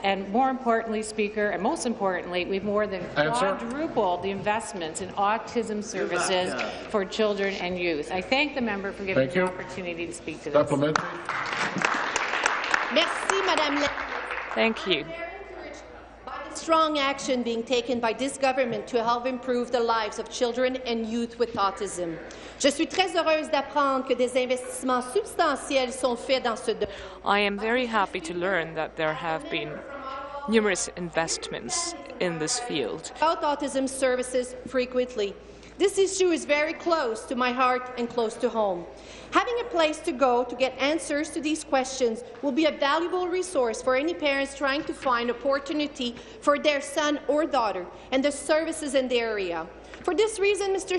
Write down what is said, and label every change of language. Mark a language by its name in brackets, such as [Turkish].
[English] And more importantly, Speaker, and most importantly, we've more than quadrupled the investments in autism services for children and youth. I thank the member for giving me the opportunity to speak to this. [French] Merci, Madame. [English] Thank you. Strong action being taken by this government to help improve the lives of children and youth with autism. [French] Je suis très heureuse d'apprendre que des investissements substantiels sont faits dans ce domaine. [English] I am very happy to learn that there have been numerous investments in this field. About autism services frequently. This issue is very close to my heart and close to home. Having a place to go to get answers to these questions will be a valuable resource for any parents trying to find opportunity for their son or daughter and the services in the area. For this reason, Mr.